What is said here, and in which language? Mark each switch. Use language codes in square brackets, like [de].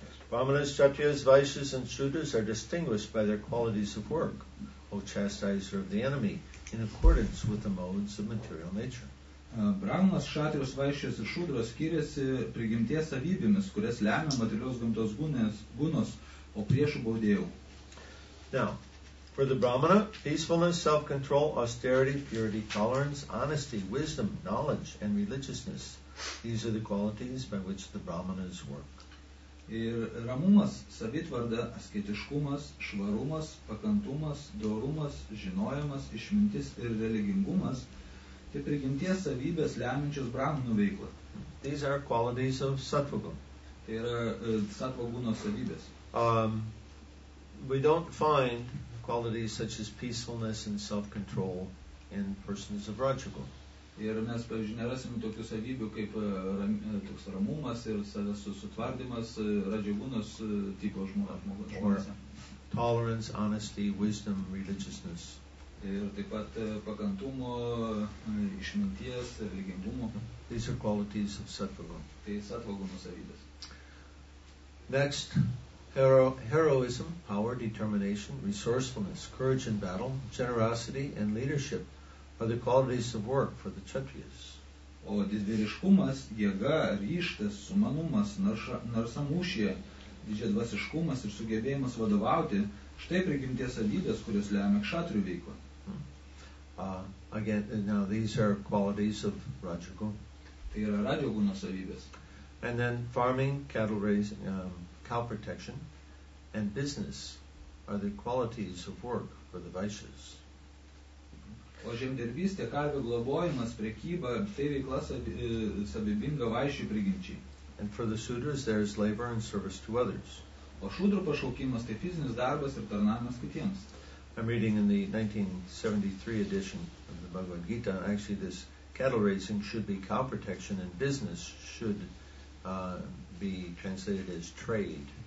[en] Vamanas, Kshatriyas, Vaishyas, and Shudras are distinguished by their qualities of work, O chastiser of the enemy, in accordance with the modes of material nature. [lt] Brahmanas, Kshatriyas, Vaishyas, ir Shudras skiriasi prigimties savybėmis, kurias lemia materialios gamtos gunos, o priešų baudėjų. [en] Now, for the Brahmana, peacefulness, self-control, austerity, purity, tolerance, honesty, wisdom, knowledge, and religiousness. These are the qualities by which the Brahmanas work. [lt] Ir ramumas, savitvarda, asketiškumas, švarumas, pakantumas, dorumas, žinojimas, išmintis ir religingumas, tai prigimties savybės lemiančios Brahmanų veiklą. [en] These are qualities of sattvagun. [lt] Tai yra sattvaguno savybės. [en] We don't find qualities such as peacefulness and self-control in persons of rajagun. [lt] Ir mes, pavyzdžiui, nerasim tokių savybių kaip toks ramumas ir savęs sutvardymas rajagunos tipo žmonėse. [en] Tolerance, honesty, wisdom, religiousness. [lt] Ir taip pat pakantumo, išminties, religingumo. [en] These are qualities of sattvagun. [lt] Tai sattvaguno savybės. [en] Next. Heroism, power, determination, resourcefulness, courage in battle, generosity, and leadership are the qualities of work for the Kshatriyas. [lt] O didvyriškumas, jėga, ryštas, sumanumas, narsamūšyje, didžiadvasiškumas ir sugebėjimas vadovauti, štai prigimties savybės, kurios lemia kšatrių veiklą. [en] Again, now these are qualities of rajagun. [lt] Tai yra rajagunos savybės. [en] And then farming, cattle raising, cow protection and business are the qualities of work for the Vaishyas. [lt] O žemdirbystė, karvių globojimas, prekyba, tai veikla savybinga Vaishyų prigimčiai. [en] And for the Shudras, there is labor and service to others. [lt] O Shudrų pašaukimas, tai fizinis darbas ir tarnavimas kitiems. [en] I'm reading in the 1973 edition of the Bhagavad Gita, actually this cattle raising should be cow protection and business should be translated as trade.